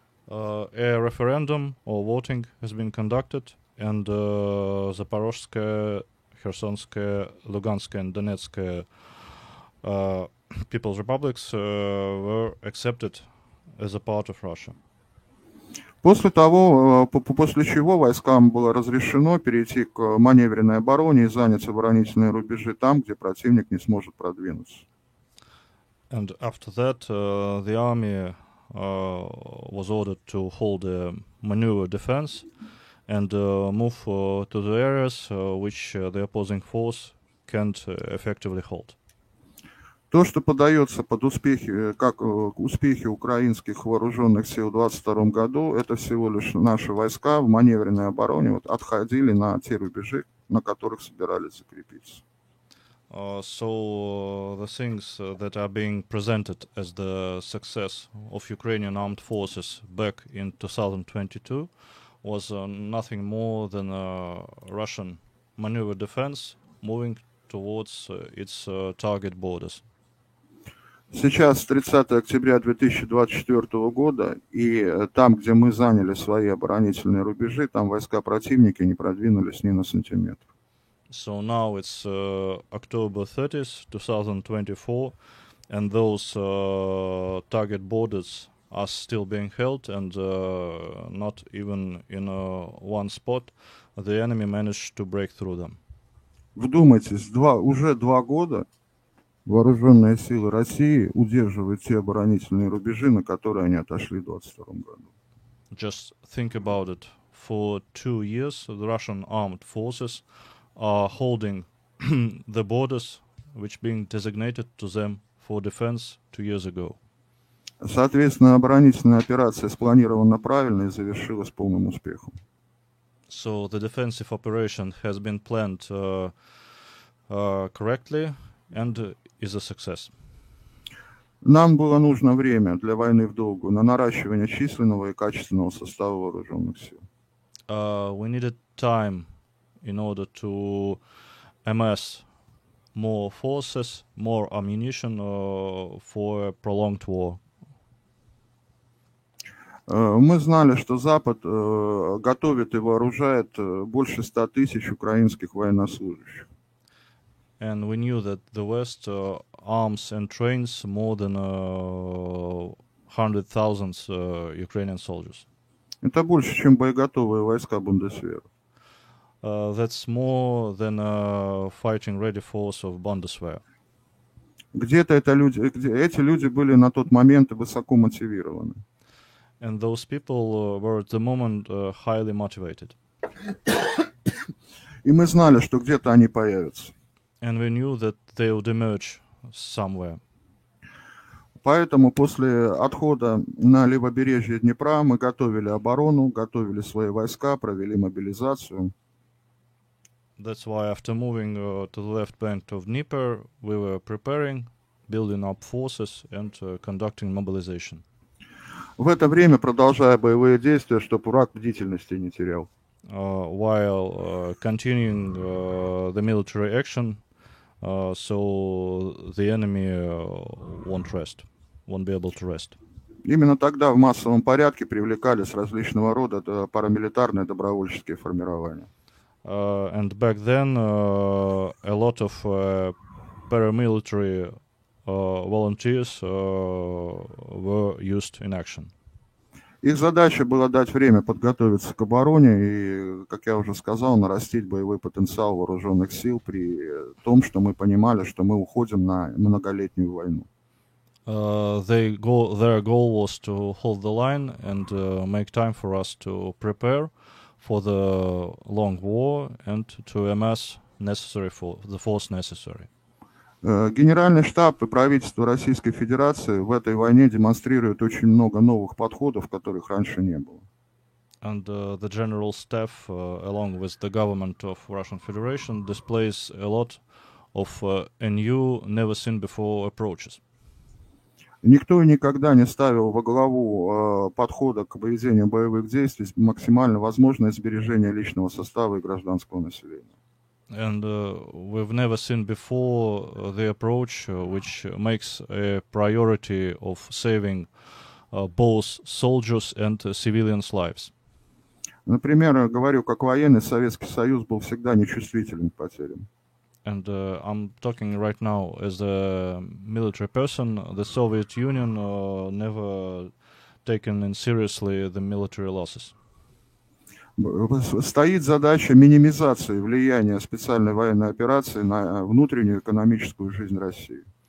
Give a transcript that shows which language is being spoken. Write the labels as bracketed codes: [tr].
[en] A referendum or voting has been conducted, and Запорожская, Херсонская, Луганская and Донецкая People's Republics were accepted as a part of Russia. [ru] После того, после чего войскам было разрешено перейти к маневренной обороне и занять оборонительные рубежи там, где противник не сможет продвинуться. [en] And after that, the army was ordered to hold a maneuver defense and move to the areas which the opposing force can't effectively hold. [ru] То, что подается под успехи, как успехи украинских вооруженных сил в 2022 году, это всего лишь наши войска в маневренной обороне вот, отходили на те рубежи, на которых собирались закрепиться. [en] So the things that are being presented as the success of Ukrainian armed forces back in 2022 was nothing more than a Russian maneuver defense moving towards its target borders. [ru] Сейчас 30 октября 2024 года, и там, где мы заняли свои оборонительные рубежи, там войска противника не продвинулись ни на сантиметр. [en] So now it's October 30th, 2024, and those target borders are still being held, and not even in one spot, the enemy managed to break through them. [ru] Вдумайтесь, уже два года вооруженные силы России удерживают те оборонительные рубежи, на которые они отошли в 2022 году. [en] Just think about it. For 2 years the Russian armed forces are holding the borders which being designated to them for defense 2 years ago. [ru] Соответственно, оборонительная операция спланирована правильно и завершилась полным успехом. [en] So the defensive operation has been planned correctly and is a success. [ru] Нам было нужно время для войны в долгую, на наращивание численного и качественного состава вооруженных сил. [en] We needed time in order to amass more forces, more ammunition for a prolonged war. [ru] Мы знали, что Запад готовит и вооружает больше 100 тысяч украинских военнослужащих. [en] And we knew that the West arms and trains more than 100,000 Ukrainian soldiers. [ru] Это больше, чем боеготовые войска Бундесвера. [en] That's more than a fighting ready force of Bundeswehr. [ru] Где-то это люди, где эти люди были на тот момент высоко мотивированы. [en] And those people were at the moment highly motivated. [ru] И мы знали, что где-то они появятся. [en] And we knew that they would emerge somewhere. [ru] Поэтому после отхода на левобережье Днепра мы готовили оборону, готовили свои войска, провели мобилизацию. [en] That's why after moving to the left bank of Dnieper, we were preparing, building up forces and conducting mobilization. [ru] В это время, продолжая боевые действия, чтобы враг бдительности не терял. [en] While continuing the military action, so the enemy won't rest, won't be able to rest. [ru] Именно тогда в массовом порядке привлекались различного рода парамилитарные добровольческие формирования. [en] And back then, a lot of paramilitary volunteers were used in action. [ru] Их задача была дать время подготовиться к обороне и, как я уже сказал, нарастить боевой потенциал вооруженных сил при том, что мы понимали, что мы уходим на многолетнюю войну. [en] Their goal was to hold the line and make time for us to prepare for the long war and to amass necessary for the force necessary. [ru] Генеральный штаб и правительство Российской Федерации в этой войне демонстрируют очень много новых подходов, которых раньше не было. [en] And the general staff, along with the government of Russian Federation, displays a lot of a new, never seen before approaches. [ru] Никто и никогда не ставил во главу подхода к поведению боевых действий максимально возможное сбережение личного состава и гражданского населения. [en] And we've never seen before the approach which makes a priority of saving both soldiers and civilians' lives. [ru] Например, говорю, как военный Советский Союз был всегда нечувствителен к потерям. [en] And I'm talking right now as a military person. The Soviet Union never taken in seriously the military losses. [ru] Стоит задача минимизации влияния специальной военной операции на внутреннюю экономическую жизнь России.